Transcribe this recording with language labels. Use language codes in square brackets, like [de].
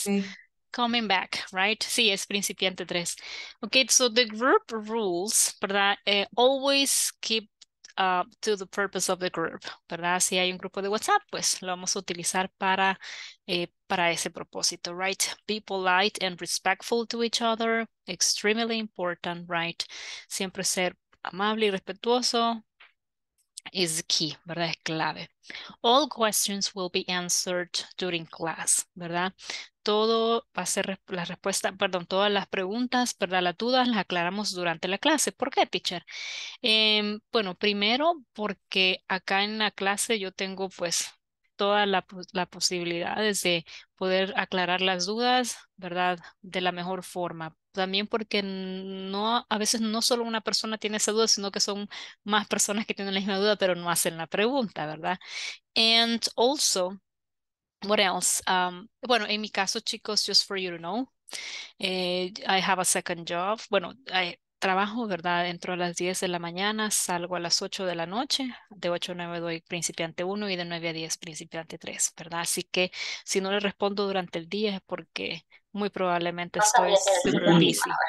[es] Sí. [en] Coming back, right? [es] Sí, es principiante 3. [en] Okay, so the group rules, ¿verdad? Always keep to the purpose of the group, ¿verdad? [es] Si hay un grupo de WhatsApp, pues lo vamos a utilizar para ese propósito, right? [en] Be polite and respectful to each other, extremely important, right? [es] Siempre ser amable y respetuoso [en] is key, [es] ¿verdad? Es clave. [en] All questions will be answered during class, ¿verdad? [es] Todo va a ser la respuesta, perdón, todas las preguntas, ¿verdad? Las dudas las aclaramos durante la clase. ¿Por qué, teacher? Bueno, primero porque acá en la clase yo tengo pues todas las posibilidades de poder aclarar las dudas, ¿verdad? De la mejor forma. También porque no, a veces no solo una persona tiene esa duda, sino que son más personas que tienen la misma duda, pero no hacen la pregunta, ¿verdad? [en] And also, what else? [es] Bueno, en mi caso, chicos, [en] just for you to know, I have a second job. [es] Bueno, trabajo, ¿verdad? Entro a las 10 de la mañana, salgo a las 8 de la noche, de 8 a 9 doy principiante 1 y de 9 a 10 principiante 3, ¿verdad? Así que si no le respondo durante el día es porque muy probablemente estoy super busy.